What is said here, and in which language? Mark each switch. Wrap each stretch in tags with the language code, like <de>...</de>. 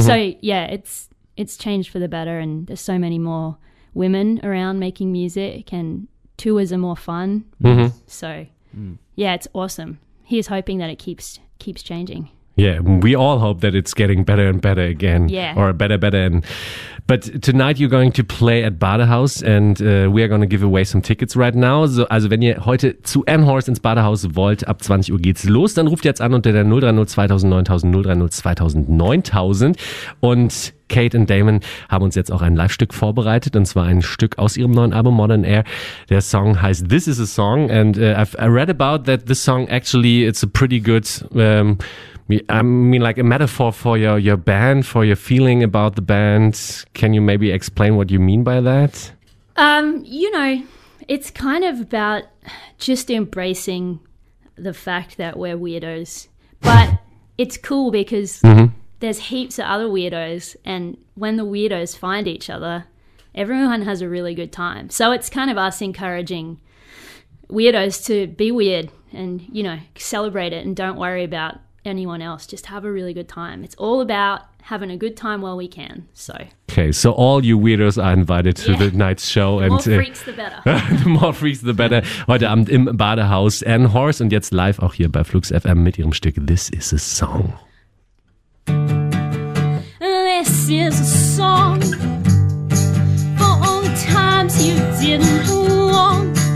<en>So yeah, it's changed for the better, and there's so many more women around making music, and tours are more fun. Mm-hmm. So yeah, it's awesome. He's hoping that it keeps changing. Yeah, we all hope that it's getting better and better again. Yeah. Or better. And but tonight you're going to play at Badehaus, and we are going to give away some tickets right now.</en> <de>So, also wenn ihr heute zu Anhorst ins Badehaus wollt, ab 20 Uhr geht's los. Dann ruft jetzt an unter der 030-2000-9000. Und Kate und Damon haben uns jetzt auch ein Live-Stück vorbereitet, und zwar ein Stück aus ihrem neuen Album Modern Air. Der Song heißt</de> <en>This Is A Song, and I read about that this song actually, it's a pretty good... I mean, like a metaphor for your band, for your feeling about the band. Can you maybe explain what you mean by that? You know, it's kind of about just embracing the fact that we're weirdos. But it's cool because mm-hmm. there's heaps of other weirdos, and when the weirdos find each other, everyone has a really good time. So it's kind of us encouraging weirdos to be weird and, you know, celebrate it and don't worry about anyone else, just have a really good time. It's all about having a good time while we can. So okay, so all you weirdos are invited to the night's show. The and more freaks, the better. The more freaks, the better.</en> <de>Heute Abend im Badehaus Anne Horst, und jetzt live auch hier bei Flux FM mit ihrem Stück This Is A Song.</de> <en>This is a song for all the times you didn't belong.</en>